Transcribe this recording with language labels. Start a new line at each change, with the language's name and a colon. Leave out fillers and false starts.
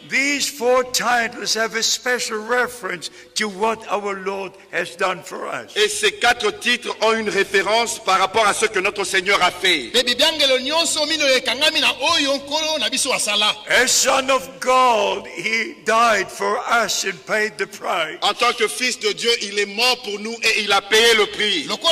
English: These four titles have a special reference to what our Lord has done for us.
French: Et ces quatre titres ont une référence par rapport à ce que notre Seigneur a fait.
English: As son of God, he died for us and paid the price.
French: En tant que fils de Dieu, il est mort pour nous et il a payé le prix.